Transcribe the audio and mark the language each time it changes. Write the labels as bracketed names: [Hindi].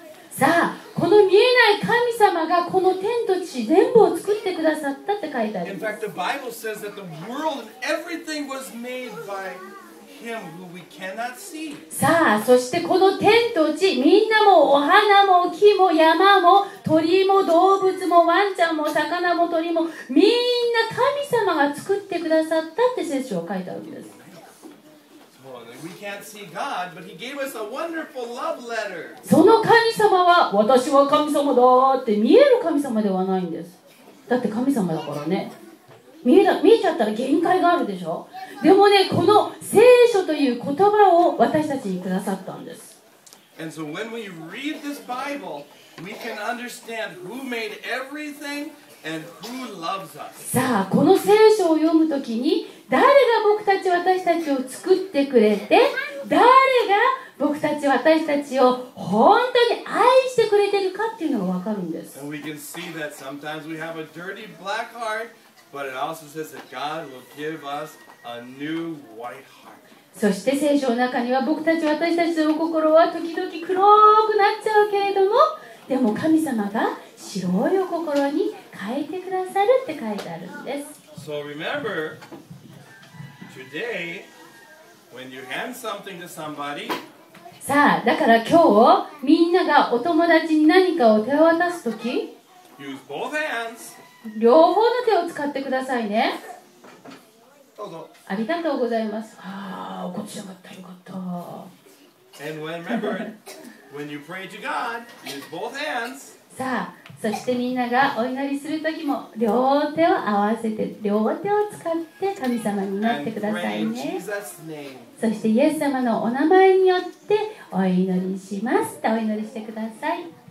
[Japanese] さあ、この見えない神様がこの天と地全部を作ってくださったって書いてあります。 [English] In fact, the Bible says that the world and everything was made by him who we cannot see. [Japanese] さあ、そしてこの天と地、みんなもお花も木も山も鳥も動物もワンちゃんも魚も鳥もみんな神様が作ってくださったって聖書は書いてあるんです。その神様は、私は神様だって見える神様ではないんです。だって神様だからね。見えちゃったら限界があるでしょ。でもね、この聖書という言葉を私たちにくださったんです。 [English] And so when we read this Bible, we can understand who made everything and who loves us. [Japanese] さあ、この聖書を読むときに、誰が僕たち私たちを作ってくれて、誰が僕たち私たちを本当に愛してくれてるかっていうのが分かるんです。 [English] And we can see that sometimes we have a dirty black heart, but it also says that God will give us a new white heart. [Japanese] そして聖書の中には僕たち私たちの心は時々黒くなっちゃうけれども、でも神様が白いお心に変えてくださるって書いてあるんです。 [English] So remember, today, when you hand something to somebody, [Japanese] さあだから今日みんながお友達に何かを手渡すとき、 [English] use both hands. [Japanese] 両方の手を使ってくださいね。どうぞ。ありがとうございます。ああ、怒っちゃかった、よかった。 [English] And remember, when you pray to God, use both hands. [Japanese] さあ、そしてみんながお祈りするときも両手を合わせて、両手を使って神様になってくださいね。そしてイエス様のお名前によってお祈りしますとお祈りしてください。